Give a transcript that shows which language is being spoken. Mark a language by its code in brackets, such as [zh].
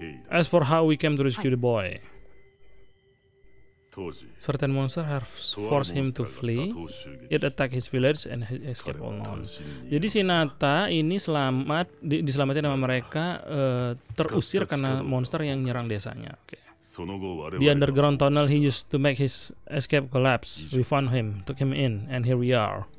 [en] As for how we came to rescue the boy. Certain monster have forced him to flee. It attacked his village and escaped all alone. [id] Jadi si Nata ini selamat, diselamatkan sama mereka, terusir karena monster yang nyerang desanya. [en] Okay. The underground tunnel he used to make his escape collapse. We found him, took him in, and here we are.